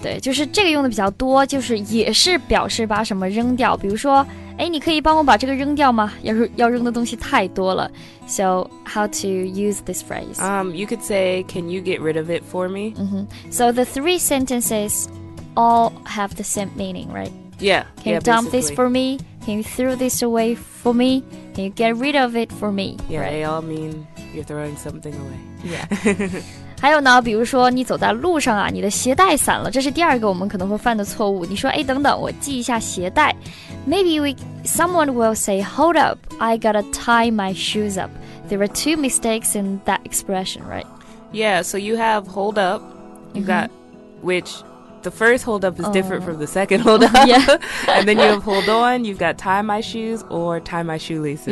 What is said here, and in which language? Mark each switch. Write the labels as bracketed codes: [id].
[zh] 对，就是这个用的比较多，就是也是表示把什么扔掉。比如说，哎，你可以帮我把这个扔掉吗？要扔的东西太多了。 [en] So, how to use this phrase? You could say, can you get rid of it for me? Mm-hmm. So, the three sentences all have the same meaning, right? Yeah, can you dump this for me? Can you throw this away for me? Can you get rid of it for me? Yeah, right? They all mean... You're throwing something away. Yeah. [zh] 还有呢，比如说你走在路上啊，你的鞋带散了，这是第二个我们可能会犯的错误。你说，哎，等等，我系一下鞋带。 [en] Maybe someone will say, "Hold up, I gotta tie my shoes up." There are two mistakes in that expression, right? Yeah. So you have hold up. You got、mm-hmm. which the first hold up is different from the second hold up. Yeah. And then you have hold on. You've got tie my shoes or tie my shoelaces.